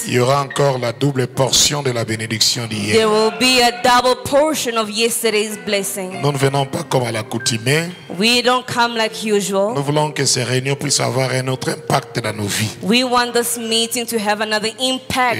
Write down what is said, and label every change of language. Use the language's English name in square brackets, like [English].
[French] il y aura encore la double portion de la bénédiction d'hier. [English] There will be a double portion of yesterday's blessing. [French] Nous ne venons pas comme à l'accoutumée. [English] We don't come like usual. [French] Nous voulons que ces réunions puissent avoir un autre impact dans nos vies. [English] We want this meeting to have another impact